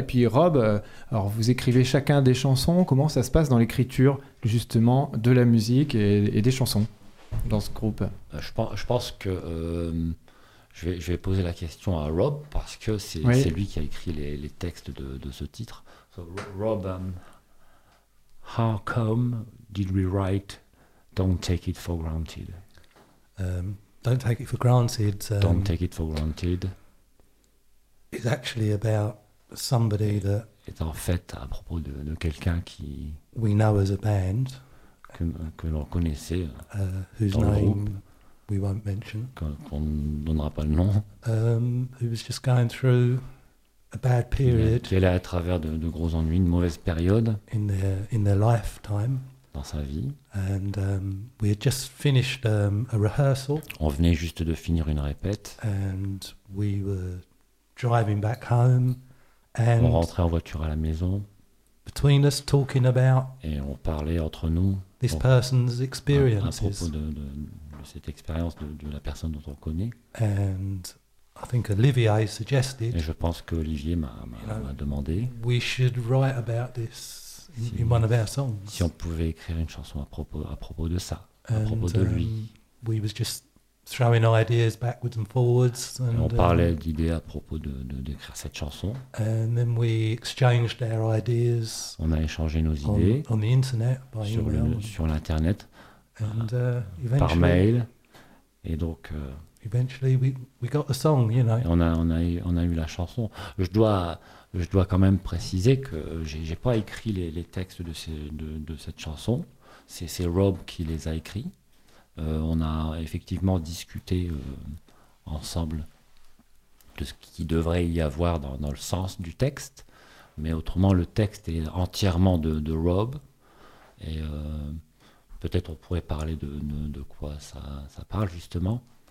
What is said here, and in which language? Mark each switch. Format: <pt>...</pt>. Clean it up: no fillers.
<fr>Et puis, Rob, alors vous écrivez chacun des chansons. Comment ça se passe dans l'écriture ? Justement, de la musique et des chansons dans ce groupe. Je pense que je vais poser la question à Rob, parce que c'est lui qui a écrit les textes de ce titre.</fr> <en>So, Rob, how come did we write Don't Take It For Granted? Don't Take It For Granted. Don't Take It For Granted. It's actually about somebody that...</en> <fr>est en fait à propos de quelqu'un qui...</fr> <en>We know as a band.</en> <fr>Que l'on connaissait.</fr> <en>Whose</en> <fr>dans</fr> <en>name</en> <fr>le groupe,</fr> <en>we won't mention.</en> <fr>Qu'on ne donnera pas le nom.</fr> <en>Who was just going through a bad period.</en> <fr>Qui allait à travers de gros ennuis, une mauvaise période.</fr> <en>In their lifetime.</en> <fr>Dans sa vie.</fr> <en>And we had just finished a rehearsal.</en> <fr>On venait juste de finir une répète.</fr> <en>And we were driving back home.</en> <fr>On rentrait en voiture à la maison.</fr> <en>Between us, talking about</en> <fr>et on parlait entre nous.</fr> <en>This person's experiences.</en> <fr>À propos de cette expérience de la personne dont on connaît.</fr> <en>And I think Olivier suggested.</en> <fr>Et je pense que Olivier m'a demandé.</fr> <en>We should write about this in one of our songs.</en> <fr>Si on pouvait écrire une chanson à propos de ça, propos de lui.</fr> <en>We was just throwing ideas backwards and forwards. And,</en> <fr>on parlait d'idées à propos d'écrire cette chanson.</fr> <en>And then we exchanged our ideas.</en> <fr>On a échangé nos idées</fr> <en>on the internet by</en> <fr>sur</fr> <en>email.</en> <fr>Sur l'internet.</fr> <en>And</en> <fr>par mail. Et donc.</fr> <en>Eventually we got the song, you know.</en> <fr>On a eu la chanson. Je dois quand même préciser que j'ai pas écrit les textes de cette chanson. C'est Rob qui les a écrits. On a effectivement discuté ensemble de ce qui devrait y avoir dans le sens du texte, mais autrement le texte est entièrement de Rob, et peut-être on pourrait parler de quoi ça parle justement.</fr>